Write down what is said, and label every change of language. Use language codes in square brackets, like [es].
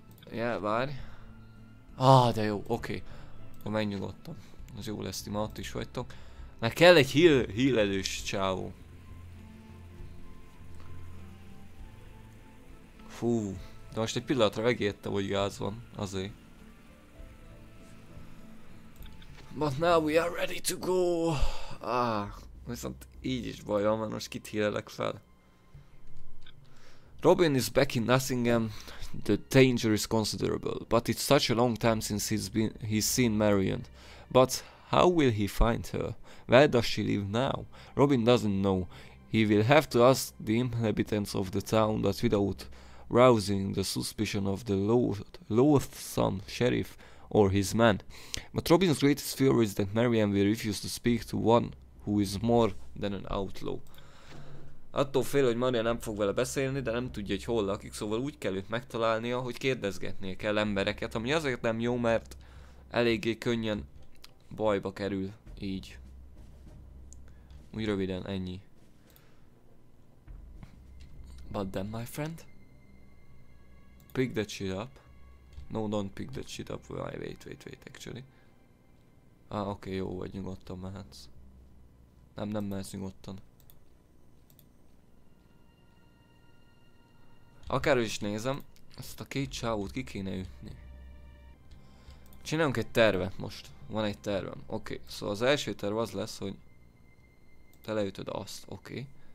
[hu] Jel, yeah, várj. Ah, de jó, oké. Okay. Menj nyugodtan. Az jó lesz, ti ma ott is vagytok. Na kell egy heal elős csávó. Fú, de most egy pillanatra megértem, hogy gáz van, azért. [en] But now we are ready to go. [hu] Ah, viszont így is bajom, mert most kit healelek fel. [en] Robin is back in Nottingham. The danger is considerable, but it's such a long time since he's seen Marion. But how will he find her? Where does she live now? Robin doesn't know. He will have to ask the inhabitants of the town, but without rousing the suspicion of the loathsome sheriff or his men. But Robin's greatest fear is that Marion will refuse to speak to one who is more than an outlaw. [hu] Attól fél, hogy Maria nem fog vele beszélni, de nem tudja, hogy hol lakik, szóval úgy kell őt megtalálnia, hogy kérdezgetnie kell embereket, ami azért nem jó, mert eléggé könnyen bajba kerül, így. Úgy röviden, ennyi. [en] But then, my friend? Pick that shit up. No, don't pick that shit up, wait, actually. [hu] Ah, oké, jó vagy, nyugodtan mehetsz. Nem mehetsz nyugodtan. Akár is nézem, ezt a két csávót ki kéne ütni. Csinálunk egy tervet most. Van egy tervem. Oké, okay. Szóval az első terv az lesz, hogy te leütöd azt. Oké. Okay.